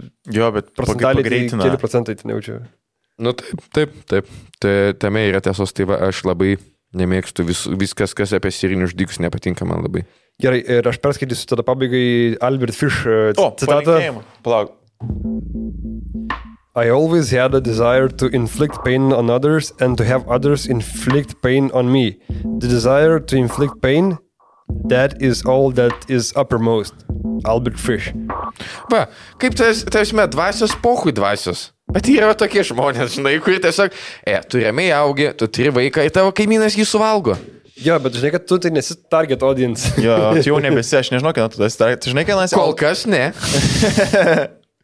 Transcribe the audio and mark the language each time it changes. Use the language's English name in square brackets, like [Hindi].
[Lithuanian] jo, bet procentaliai pagreitina. Keli procentai, tai nejaučiau. Nu, taip. Tame yra tiesos, tai va, aš labai nemėgstu viskas, kas apie serijinius žudikus nepatinka man labai. Gerai, ir aš perskaitysiu tada pabaigai Albert Fish citatą. O, palaukėjimą. [English] I always had a desire to inflict pain on others and to have others inflict pain on me. The desire to inflict pain... That is all that is uppermost. Albert Fish. [Lithuanian] Va, kaip tarsime, dvasios pohui dvasios. Bet yra tokie žmonės, žinai, kurie tiesiog, tu remiai augi, tu turi vaiką ir tavo kaimynas jį suvalgo. Jo, bet žinai, kad tu tai nesi target audience. Jo, tu jau nebesi, aš nežinau, kad tu esi target. Žinai, kad nesi... Kol kas ne.